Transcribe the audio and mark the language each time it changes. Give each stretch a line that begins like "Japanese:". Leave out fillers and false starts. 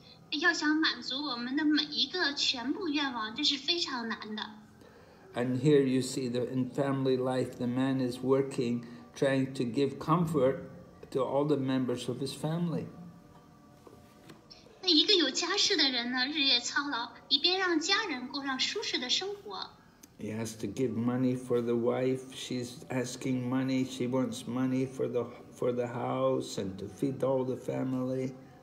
Chinese: 要想满足我们的每一个全部愿望, 这是非常难的。
English: And here you see that in family life, the man is working, trying to give comfort to all the members of his family.
Chinese: 那一个有家室的人呢, 日夜操劳, 一边让家人过上舒适的生活。
English: He has to give money for the wife. She's asking money. She wants money for the house and to feed all the family.